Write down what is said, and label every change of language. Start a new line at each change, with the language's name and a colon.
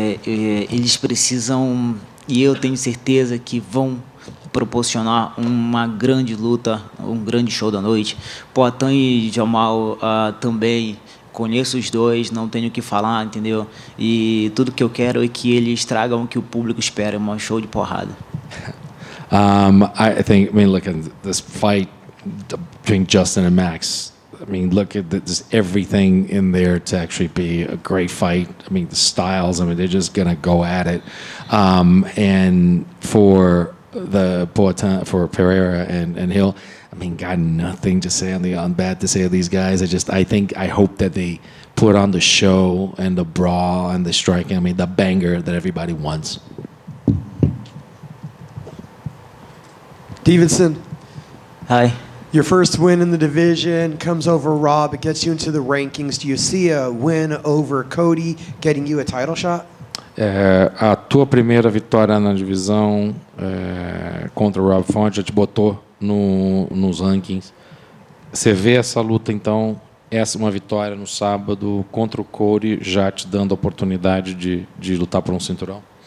Portuguese: Eles precisam, e eu tenho certeza que vão proporcionar uma grande luta, um grande show da noite. Poatan e Jamal também, conheço os dois, não tenho o que falar, entendeu? E tudo que eu quero é que eles tragam o que o público espera, um show de porrada.
English: Look at this fight between Justin and Max. I mean, look at this, everything in there to actually be a great fight. I mean, the styles, I mean, they're just going to go at it. And for the Poatan, for Pereira and Hill, I mean, got nothing to say on the on bad to say of these guys. I hope that they put on the show and the brawl and the striking, I mean, the banger that everybody wants. Stevenson. Hi. Your first win in the division comes over Rob. It gets you into the rankings. Do you see a win over Cody getting you a title shot?
Portuguese: A tua primeira vitória na divisão contra o Rob Font já te botou nos rankings. Você vê essa luta, então, essa uma vitória no sábado contra o Corey já te dando a oportunidade de lutar por um cinturão?